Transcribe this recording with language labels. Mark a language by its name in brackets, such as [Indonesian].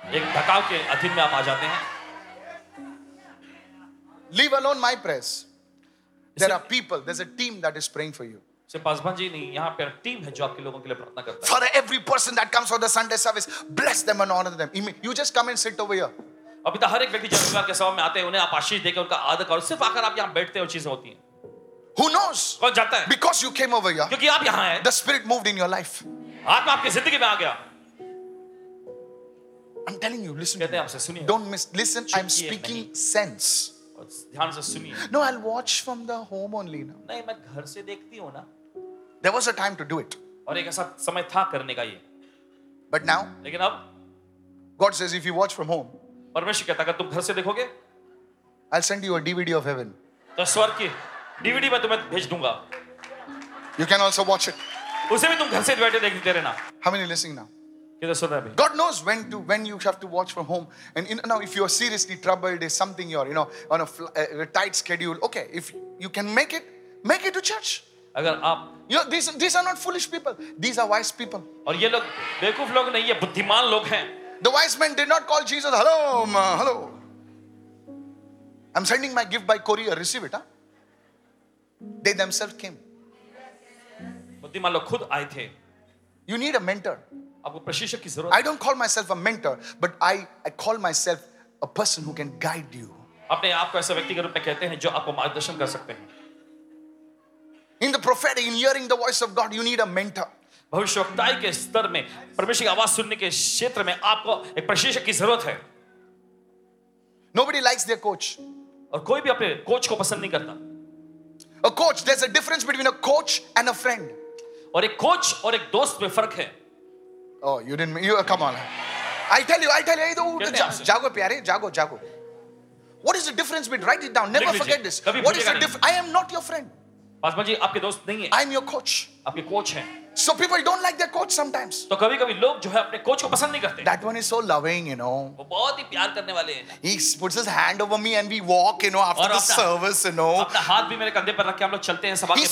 [Hindi] एक ढकाव के अधीन में आप आ जाते हैं. [English] Leave alone my prayers. There are people. There's a team that is praying for you. For every person that comes for the Sunday service, bless them and honor them. You just come and sit over here. [Hindi] अभी तो हर एक व्यक्ति जब रविवार के सभा में आते हैं, उन्हें आप आशीष देकर उनका आदर करो। सिर्फ आकर आप यहाँ बैठते हैं और चीजें होती हैं। [English] Who knows? [Hindi] कौन जाता है? [English] Because you came over here. [Hindi] क्योंकि आप यहाँ हैं। [English] The Spirit moved in your life. [Hindi] आत्मा आपकी जिंदगी में आ गया। [English] I'm telling you, listen. [Hindi] कहते हैं आपसे सुनिए। [English] Don't miss. Listen, I'm speaking sense. [Hindi] ध्यान से सुनिए। [English] No, I'll watch from the home only. [Hindi] नहीं, मैं घर से देखती हूँ ना। [English] There was a time to do it. [Hindi] और एक ऐसा समय था करने का ये. [English] But now. [Hindi] लेकिन अब. [English] God says if you watch from home. [Hindi] परमेश्वर कहता है अगर तुम घर से देखोगे. [English] I'll send you a DVD of heaven. [Hindi] तो स्वर्ग की DVD मैं तुम्हें भेज दूँगा. [English] You can also watch it. [Hindi] उसे भी तुम घर से बैठे देखते रहना. [English] How many listening now? [Hindi] कितना सुन रहे हैं अभी? [English] God knows when you have to watch from home. And in, now if you are seriously troubled, is something you're you know on a tight schedule. Okay, if you can make it to church. [Hindi] अगर आप [English] you know, these are not foolish people these are wise people [Hindi] और ये लोग बेवकूफ लोग नहीं ये बुद्धिमान लोग हैं [English] the wise men did not call Jesus hello ma, hello I'm sending my gift by courier receive it huh? they themselves came [Hindi] बुद्धिमान लोग खुद आए थे [English] you need a mentor [Hindi] आपको प्रशिक्षक की जरूरत [English] I don't call myself a mentor but I call myself a person who can guide you [Hindi] अपने आप को ऐसे व्यक्ति के रूप में कहते हैं जो आपको मार्गदर्शन कर सकते हैं [English] In the prophetic, in hearing the voice of God, you need a mentor. [Hindi] भविष्यवक्ताई के स्तर में परमेश्वर की आवाज सुनने के क्षेत्र में आपको एक प्रशिक्षक की जरूरत है. [English] Nobody likes their coach. [Hindi] और कोई भी अपने कोच को पसंद नहीं करता. [English] A coach, there's a difference between a coach and a friend. [Hindi] और एक कोच और एक दोस्त में फर्क है. [English] Oh, you didn't. You come on. I tell you. Hey, [Hindi] जागो प्यारे, जागो. [English] What is the difference between? Write it down. Never forget this. What is the difference? I am not your friend. [Hindi] आपके दोस्त नहीं है [English] I'm your coach. [Hindi] आपके coach हैं. [English] So people don't like their coach sometimes. [Hindi] तो कभी कभी लोग जो है अपने कोच को पसंद नहीं करते. [English] That one is so loving, you know. [Hindi] वो बहुत ही प्यार करने वाले हैं. [English] He puts his hand over me and we walk, you know, after the service, you know. [Hindi] अपना हाथ भी मेरे कंधे पर रख के हम लोग चलते हैं सभा के